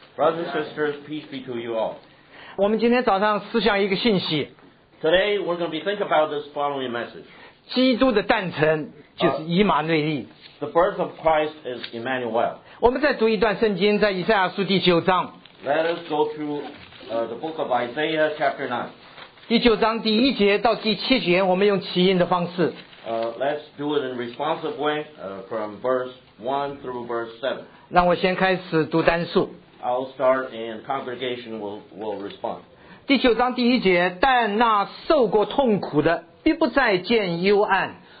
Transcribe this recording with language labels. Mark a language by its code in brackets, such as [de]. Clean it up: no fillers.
[en] Brothers and sisters, peace be to you all. [zh] 我们今天早上思想一个信息。 [en] Today we're going to be thinking about this following message. [zh] 基督的诞辰就是以马内利。 [en] The birth of Christ is Emmanuel. [zh] 我们再读一段圣经，在以赛亚书第九章。 [en] Let us go through the book of Isaiah chapter 9. [zh] 第九章第一节到第七节，我们用起音的方式。 [en] Let's do it in a responsive way, from verse 1 through verse 7. [zh] 让我先开始读单数。 [en] I'll start and congregation will respond. [zh] 第九章第一节，但那受过痛苦的必不再见幽暗。